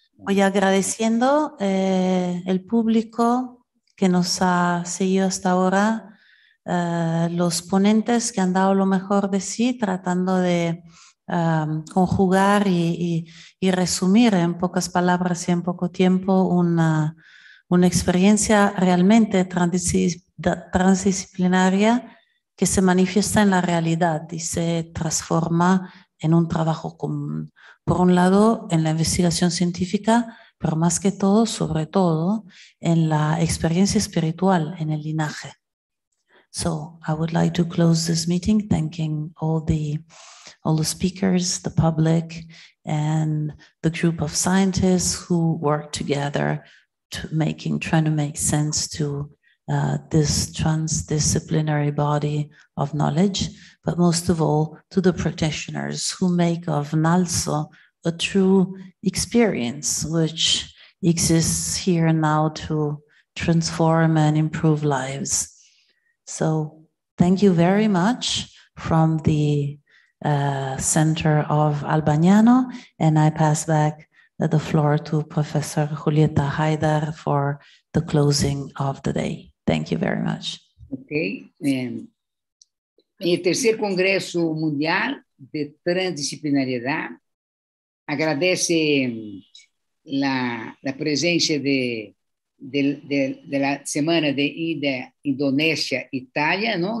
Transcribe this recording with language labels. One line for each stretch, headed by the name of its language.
Spanish: Voy agradeciendo el público que nos ha seguido hasta ahora, los ponentes que han dado lo mejor de sí, tratando de conjugar y resumir en pocas palabras y en poco tiempo una experiencia realmente transdisciplinaria que se manifiesta en la realidad y se transforma en un trabajo común. Por un lado, en la investigación científica, pero más que todo, sobre todo, en la experiencia espiritual, en el linaje.
English: So, I would like to close this meeting thanking all the speakers, the public, and the group of scientists who worked together to trying to make sense to this transdisciplinary body of knowledge, but most of all, to the practitioners who make of NgalSo a true experience which exists here and now to transform and improve lives. So thank you very much from the center of Albagnano, and I pass back the floor to Professor Julieta Haidar for the closing of the day. Thank you very much. Okay.
Spanish: El tercer Congreso Mundial de Transdisciplinariedad agradece la presencia de la semana de ida Indonesia Italia, ¿no?